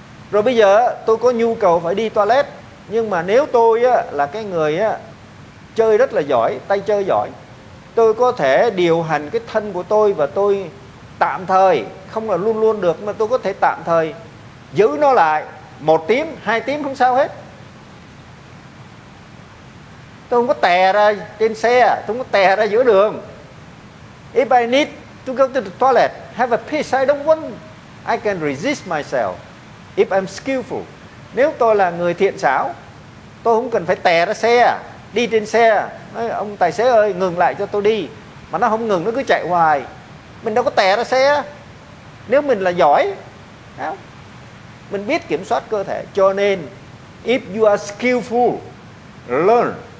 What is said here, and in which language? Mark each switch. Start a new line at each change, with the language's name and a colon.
Vietnamese: Rồi bây giờ tôi có nhu cầu phải đi toilet, nhưng mà nếu tôi là cái người chơi rất là giỏi, tay chơi giỏi, tôi có thể điều hành cái thân của tôi, và tôi tạm thời, không là luôn luôn được, mà tôi có thể tạm thời giữ nó lại một tiếng, hai tiếng không sao hết. Tôi không có tè ra trên xe, tôi không có tè ra giữa đường.
English: If I need to go to the toilet, have a piss, I don't want, I can resist myself if I'm skillful.
Vietnamese: Nếu tôi là người thiện xảo, tôi không cần phải tè ra xe, đi trên xe, nói, ông tài xế ơi, ngừng lại cho tôi đi. Mà nó không ngừng, nó cứ chạy hoài. Mình đâu có tè ra xe. Nếu mình là giỏi, đó, mình biết kiểm soát cơ thể. Cho nên,
English: if you are skillful, learn